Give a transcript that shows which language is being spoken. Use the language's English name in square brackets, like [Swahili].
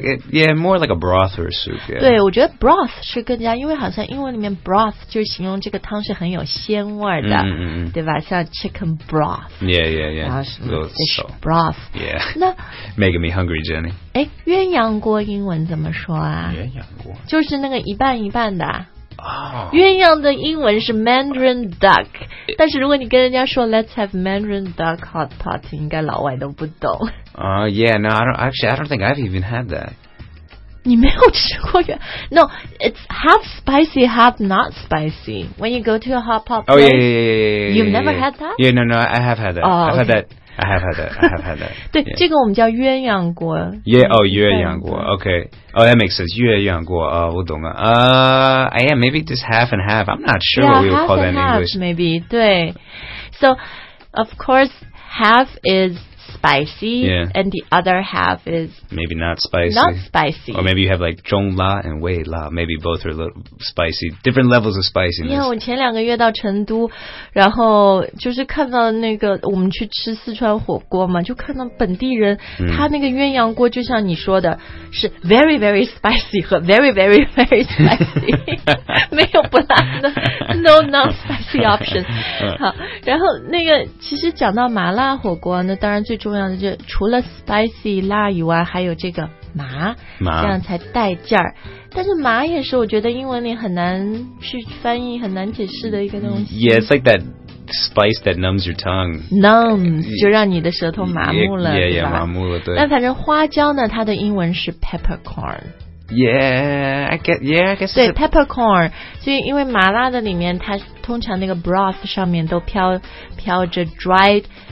[English] Yeah, more like a broth or a soup, yeah. [Chinese] 对，我觉得 broth 是更加，因为好像英文里面 broth 就是形容这个汤是很有鲜味的，对吧？ [English] 像 chicken broth. Yeah. [Chinese] 然后什么 fish broth. [English] Yeah. Making me hungry, Jenny. [Chinese] 哎，鸳鸯锅英文怎么说啊？鸳鸯锅。就是那个一半一半的。鸳鸯的英文是 Mandarin Duck, 但是如果你跟人家说 [English] Let's have Mandarin Duck hot pot, [Chinese] 应该老外都不懂。 [English] Yeah, no, I don't think I've even had that. [Chinese] 你没有吃过鸳鸯? [English] No, it's half spicy, half not spicy. When you go to a hot pot place, you've never had that? Yeah, no, I have had that.、 Oh, okay. I have had that. [Chinese] 对、这个我们叫鸳鸯锅。 [English] Yeah, oh, 鸳鸯锅。Okay. Oh, that makes sense. 鸳鸯锅。Oh, [Chinese] 我懂了。 [English] Yeah, maybe just half and half. I'm not sure yeah, what we would call that in half, English. Maybe, 对。 So, of course, half is spicy,、and the other half is... Maybe not spicy. Not spicy. Or maybe you have like 中辣 and 微辣. Maybe both are a little spicy. Different levels of spiciness. [Chinese] Yeah, 我前两个月到成都，然后就是看到那个我们去吃四川火锅嘛，就看到本地人、他那个鸳鸯锅就像你说的是 [English] very very spicy [Chinese] 和 [English] very very very spicy [Chinese] 没有不辣的 [English] no non spicy option. [Chinese] 好，然后那个其实讲到麻辣火锅，那当然最重要的就是除了 spicy 辣以外还有这个麻，这样才带劲儿。但是麻也是我觉得英文里很难去翻译很难解释的一个东西。 [English] Yeah, it's like that spice that numbs your tongue. [Chinese] Numbs 就让你的舌头麻木了 yeah, 麻木了。对，但反正花椒呢它的英文是 peppercorn。 [English] Yeah, I guess. [Chinese] 对 ，peppercorn. 所以因为麻辣的里面，它通常那个 broth 上面都飘着 dried